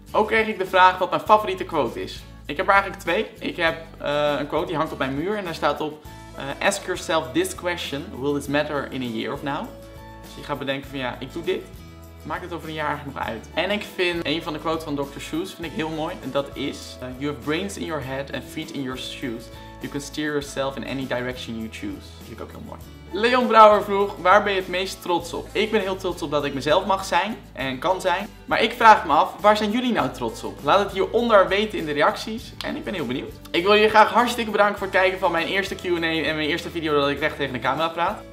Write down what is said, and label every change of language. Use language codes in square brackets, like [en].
[nl] Ook kreeg ik de vraag wat mijn favoriete quote is. Ik heb er eigenlijk twee. Ik heb een quote die hangt op mijn muur en daar staat op [en] ask yourself this question, will this matter in a year of now? [nl] Dus je gaat bedenken van ja, ik doe dit. maakt het over een jaar nog uit. En ik vind een van de quotes van Dr. Seuss vind ik heel mooi. En dat is, [en] you have brains in your head and feet in your shoes. You can steer yourself in any direction you choose. [nl] Vind ik ook heel mooi. Leon Brouwer vroeg, waar ben je het meest trots op? Ik ben heel trots op dat ik mezelf mag zijn en kan zijn. Maar ik vraag me af, waar zijn jullie nou trots op? Laat het hieronder weten in de reacties. En ik ben heel benieuwd. Ik wil jullie graag hartstikke bedanken voor het kijken van mijn eerste Q&A en mijn eerste video dat ik recht tegen de camera praat.